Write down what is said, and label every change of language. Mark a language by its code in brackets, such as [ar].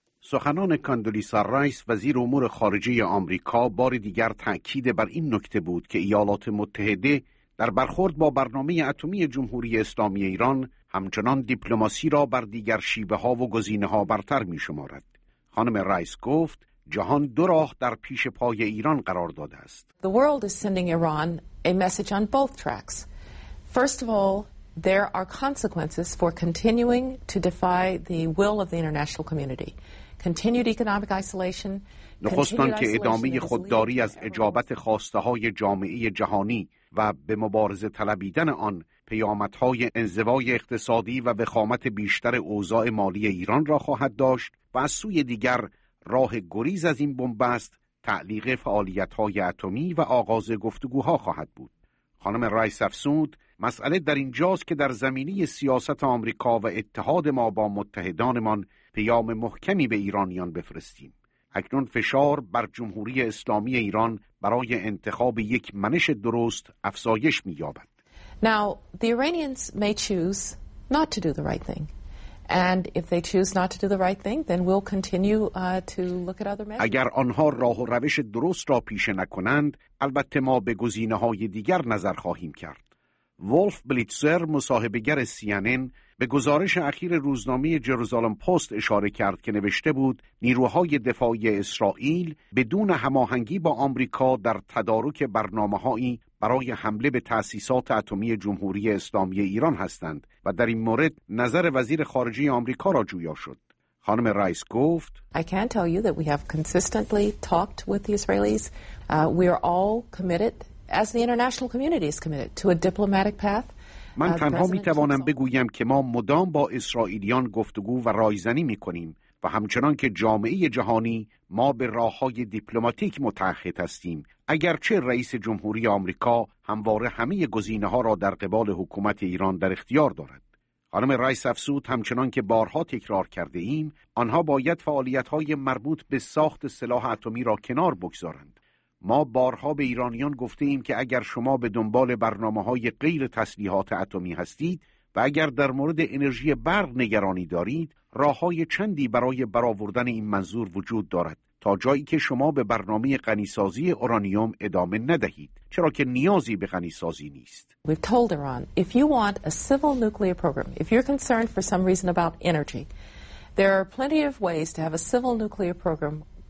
[fa] سخنان کاندولیزا رایس وزیر امور خارجه آمریکا بار دیگر تأکید بر این نکته بود که ایالات متحده در برخورد با برنامه اتمی جمهوری اسلامی ایران همچنان دیپلماسی را بر دیگر شیوه ها و گزینه ها برتر می شمارد. خانم رایس گفت جهان دو راه در پیش پای ایران قرار داده است. [en] The world is sending Iran a message on both tracks. First of all, there are consequences for continuing to defy the will of the international community. Continued economic isolation. [fa] نخستان که ادامه خودداری از اجابت خواسته های جامعه جهانی و به مبارزه طلبیدن آن پیامدهای انزوای اقتصادی و وخامت بیشتر اوضاع مالی ایران را خواهد داشت و از سوی دیگر راه گریز از این بن‌بست تعلیق فعالیت های اتمی و آغاز گفتگوها خواهد بود. خانم رایس افسود مسئله در اینجاست که در زمینه سیاست آمریکا و اتحاد ما با متحدانمان پیام محکمی به ایرانیان بفرستیم. اکنون فشار بر جمهوری اسلامی ایران برای انتخاب یک منش درست افزایش می‌یابد. [en] Now the Iranians may choose not to do the right thing. And if they choose not to do the right thing, then we'll continue to look at other measures. [fa] اگر آنها راه و روش درست را پیش نکنند، البته ما به گزینه‌های دیگر نظر خواهیم کرد. ولف بلیتزر مصاحبه‌گر CNN به گزارش اخیر روزنامه جروزالم پست اشاره کرد که نوشته بود نیروهای دفاعی اسرائیل بدون هماهنگی با آمریکا در تدارک برنامه‌هایی برای حمله به تأسیسات اتمی جمهوری اسلامی ایران هستند و در این مورد نظر وزیر خارجه آمریکا را جویا شد. خانم رایس گفت [en] I can tell you that we have consistently talked with the Israelis. We are all committed as the international community is committed to a diplomatic path. [fa] من تنها می توانم بگویم که ما مدام با اسرائیلیان گفتگو و رایزنی می کنیم و همچنان که جامعه جهانی ما به راه‌های دیپلماتیک متعهد هستیم، اگرچه رئیس جمهوری آمریکا همواره همه گزینه‌ها را در قبال حکومت ایران در اختیار دارد. خانم رایس افسود همچنان که بارها تکرار کرده ایم، آنها باید فعالیت‌های مربوط به ساخت سلاح اتمی را کنار بگذارند. ما بارها به ایرانیان گفته ایم که اگر شما به دنبال برنامه‌های غیر تسلیحات اتمی هستید و اگر در مورد انرژی برق نگرانی دارید، راه‌های چندی برای برآوردن این منظور وجود دارد تا جایی که شما به برنامه غنی‌سازی اورانیوم ادامه ندهید، چرا که نیازی به غنی‌سازی نیست. [en] We've told Iran if you want a civil nuclear program, if you're concerned for some reason about energy, there are plenty of ways to have a civil nuclear program.